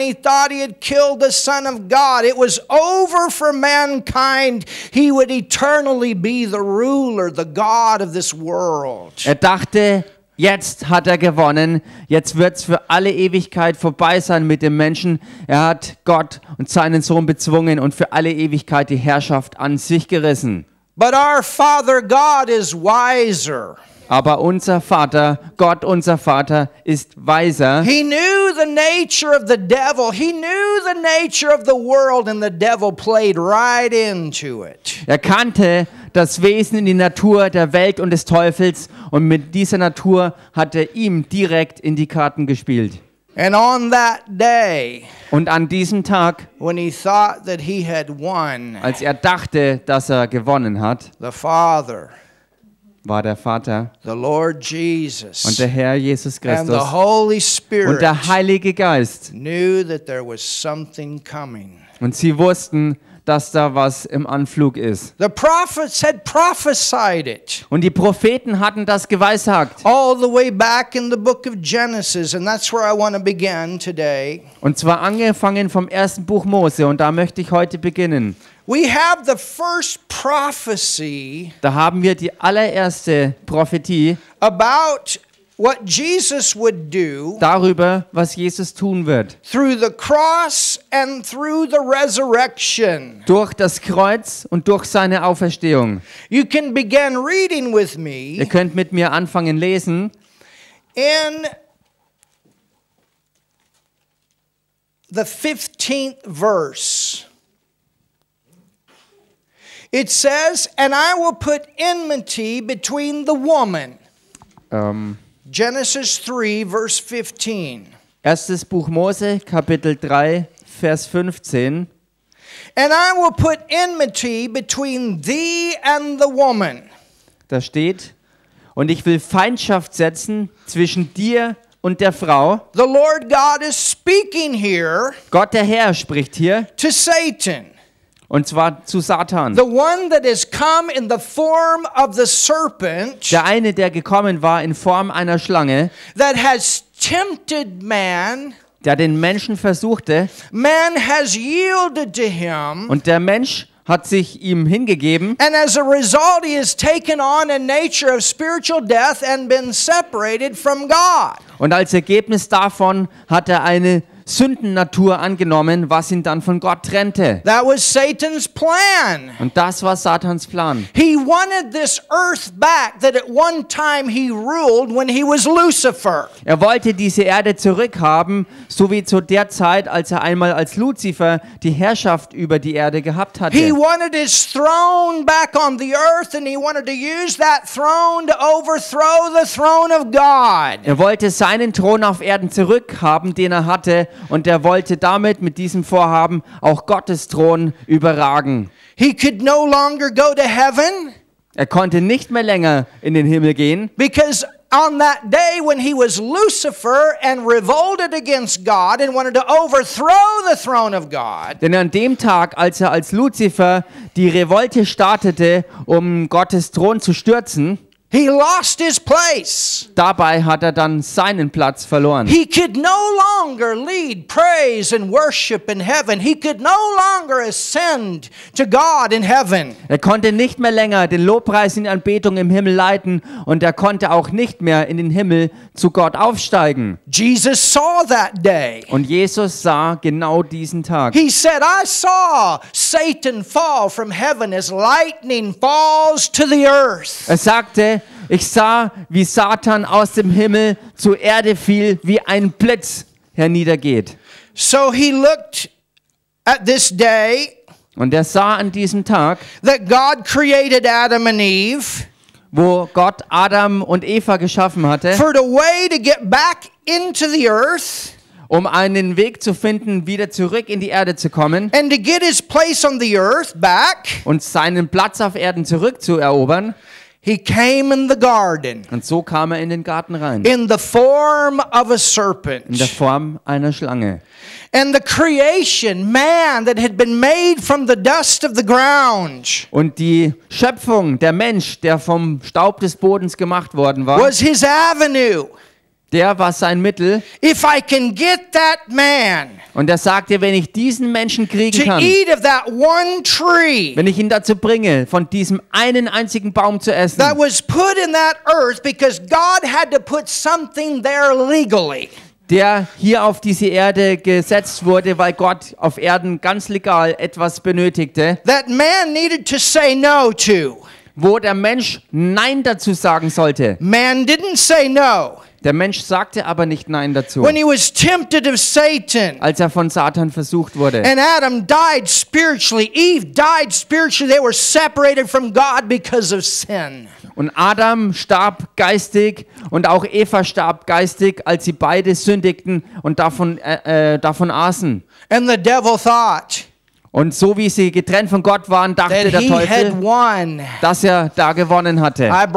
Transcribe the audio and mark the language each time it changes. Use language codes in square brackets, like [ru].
[en] He thought he had killed the Son of God. It was over for mankind. He would eternally be the ruler, the God of this world. [de] Er dachte, jetzt hat er gewonnen. Jetzt wird's für alle Ewigkeit vorbei sein mit dem Menschen. Er hat Gott und seinen Sohn bezwungen und für alle Ewigkeit die Herrschaft an sich gerissen. [en] But our Father God is wiser. [de] Aber unser Vater, Gott unser Vater, ist weiser. [en] He knew the nature of the devil. He knew the nature of the world, and the devil played right into it. [de] Er kannte das Wesen in die Natur der Welt und des Teufels, und mit dieser Natur hat er ihm direkt in die Karten gespielt. [en] And on that day, [de] und an diesem Tag, [en] when he thought that he had won, [de] als er dachte, dass er gewonnen hat, [en] the Father, [de] war der Vater, [en] the Lord Jesus, [de] und der Herr Jesus Christus, [en] and the Holy Spirit, [de] und der Heilige Geist, [en] knew that there was something coming. [de] Und sie wussten, dass da was im Anflug ist. [en] The prophets had prophesied it. [de] Und die Propheten hatten das geweissagt. [en] All the way back in the book of Genesis, and that's where I want to begin today. [de] Und zwar angefangen vom ersten Buch Mose, und da möchte ich heute beginnen. [en] We have the first prophecy. [de] Da haben wir die allererste Prophetie [en] about what Jesus would do. [de] Darüber, was Jesus tun wird. [en] Through the cross and through the resurrection. [de] Durch das Kreuz und durch seine Auferstehung. [en] You can begin reading with me. [de] Ihr könnt mit mir anfangen lesen. [en] In the 15th verse. It says, and I will put enmity between the woman. Genesis 3, verse 15. [de] Erstes Buch Mose, Kapitel 3, Vers 15. [en] And I will put enmity between thee and the woman. [de] Da steht, und ich will Feindschaft setzen zwischen dir und der Frau. [en] The Lord God is speaking here. [de] Gott der Herr spricht hier. [en] To Satan. [de] Und zwar zu Satan. [en] The one that has come in the form of the serpent. [de] Der eine, der gekommen war in Form einer Schlange. [en] That has tempted man. [de] Der den Menschen versuchte. [en] Man has yielded to him. [de] Und der Mensch hat sich ihm hingegeben. [en] And as a result, he has taken on a nature of spiritual death and been separated from God. [de] Und als Ergebnis davon hat er eine Sündennatur angenommen, was ihn dann von Gott trennte. [en] That was Satan's plan. [de] Und das war Satans Plan. [en] He wanted this earth back that at one time he ruled when he was Lucifer. [de] Er wollte diese Erde zurückhaben, so wie zu der Zeit, als er einmal als Lucifer die Herrschaft über die Erde gehabt hatte. [en] He wanted his throne back on the earth and he wanted to use that throne to overthrow the throne of God. [de] Er wollte seinen Thron auf Erden zurückhaben, den er hatte. Und er wollte damit mit diesem Vorhaben auch Gottes Thron überragen. [en] He could no longer go to heaven. [de] Er konnte nicht mehr länger in den Himmel gehen. [en] Because on that day when he was Lucifer and revolted against God and wanted to overthrow the throne of God. [de] Denn an dem Tag, als er als Lucifer die Revolte startete, um Gottes Thron zu stürzen, [en] he lost his place. [de] Dabei hat er dann seinen Platz verloren. [en] He could no longer lead praise and worship in heaven. He could no longer ascend to God in heaven. [de] Er konnte nicht mehr länger den Lobpreis in Anbetung im Himmel leiten, und er konnte auch nicht mehr in den Himmel zu Gott aufsteigen. [en] Jesus saw that day. [de] Und Jesus sah genau diesen Tag. [en] He said, I saw Satan fall from heaven as lightning falls to the earth. [de] Er sagte, Ich sah, wie Satan aus dem Himmel zur Erde fiel, wie ein Blitz herniedergeht. [en] So he looked at this day. [de] Und er sah an diesem Tag, [en] that God created Adam and Eve, [de] wo Gott Adam und Eva geschaffen hatte, [en] for the way to get back into the earth, [de] um einen Weg zu finden, wieder zurück in die Erde zu kommen, [en] and to get his place on the earth back, [de] und seinen Platz auf Erden zurückzuerobern. [en] He came in the garden. [de] Und so kam er in den Garten rein. [en] In the form of a serpent. [de] In der Form einer Schlange. [en] And the creation, man, that had been made from the dust of the ground. [de] Und die Schöpfung, der Mensch, der vom Staub des Bodens gemacht worden war. [en] Was his avenue. [de] Der war sein Mittel. [en] If I can get that man. [de] Und er sagte, wenn ich diesen Menschen kriegen kann, [en] eat of that one tree, [de] wenn ich ihn dazu bringe, von diesem einen einzigen Baum zu essen, [en] that was put in that earth because God had to put something there legally. [de] Der hier auf diese Erde gesetzt wurde, weil Gott auf Erden ganz legal etwas benötigte, [en] that man needed to say no to. [de] Wo der Mensch Nein dazu sagen sollte. [en] Man didn't say no. [de] Der Mensch sagte aber nicht Nein dazu. [en] When he was tempted of Satan, [de] als er von Satan versucht wurde. [en] And Adam died spiritually, Eve died spiritually, they were separated from God because of sin. [de] Und Adam starb geistig und auch Eva starb geistig, als sie beide sündigten und davon aßen. [en] And the devil thought, [de] und so wie sie getrennt von Gott waren, dachte der Teufel, dass er da gewonnen hatte.